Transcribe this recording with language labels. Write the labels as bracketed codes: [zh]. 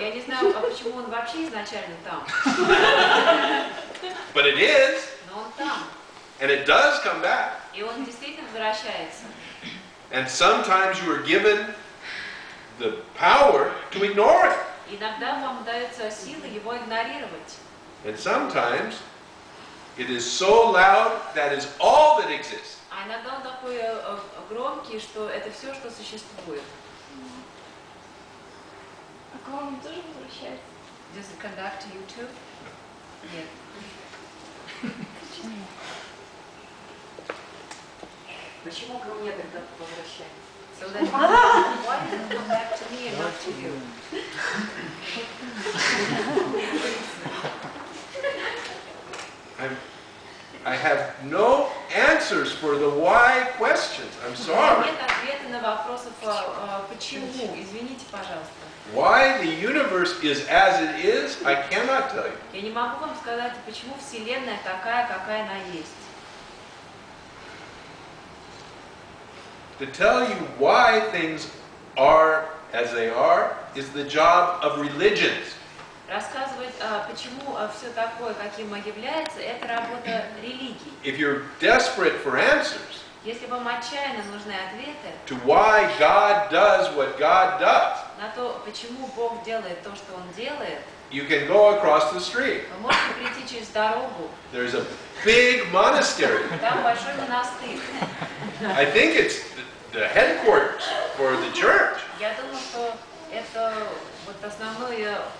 [ru] Я не знаю, а почему он вообще изначально там. [en] But it is. [ru] Но он там. [en] And it does come back. [ru] И он действительно возвращается. [en] And sometimes you are given the power to ignore it. [ru] Иногда вам дается сила его игнорировать. [en] And sometimes it is so loud that is all that exists. [ru] А иногда он такой громкий, что это все, что существует. А к вам тоже возвращается? [en] Does it come back to you too? [ru] Нет. Почему? Почему ко мне тогда возвращается? [en] So that why does I have no answers for the why questions. I'm sorry. [ru] Нет ответа на вопросы почему. Извините, пожалуйста. [en] Why the universe is as it is, I cannot tell you. [ru] Я не могу вам сказать, почему Вселенная такая, какая она есть. [en] To tell you why things are as they are is the job of religions. [ru] Рассказывать, почему все такое, каким является, это работа религии. [en] If you're desperate for answers, [ru] если вам отчаянно нужны ответы, [en] to why God does what God does, [ru] на то, почему Бог делает то, что Он делает, [en] you can go across the street. [ru] Вы можете прийти через дорогу. [en] There's a big monastery. [ru] Там большой монастырь. [en] I think it's the headquarters for the church. [ru] Я думаю, что это вот основное...